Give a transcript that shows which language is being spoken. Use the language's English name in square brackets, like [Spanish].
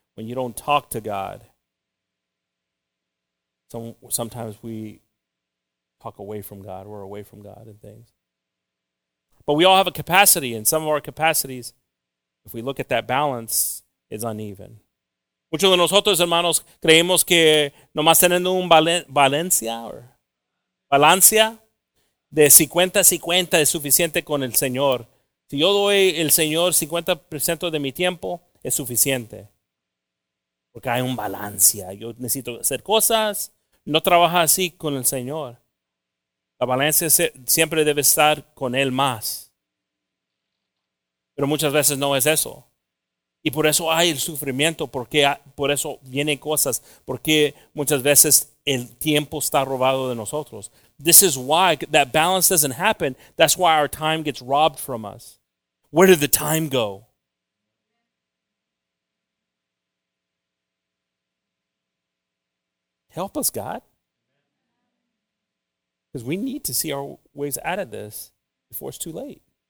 [English] When you don't talk to God, sometimes we talk away from God. We're away from God and things. But we all have a capacity, and some of our capacities, if we look at that balance, is uneven. [Spanish] Muchos de nosotros, hermanos, creemos que nomás teniendo un balancia de 50-50 es suficiente con el Señor. Si yo doy el Señor 50% de mi tiempo, es suficiente. Porque hay un balancia. Yo necesito hacer cosas. No trabaja así con el Señor. La balanza siempre debe estar con Él más. Pero muchas veces no es eso. Y por eso hay el sufrimiento, porque por eso vienen cosas, porque muchas veces el tiempo está robado de nosotros. [English] This is why that balance doesn't happen. That's why our time gets robbed from us. Where did the time go? Help us, God. Because we need to see our ways out of this before it's too late.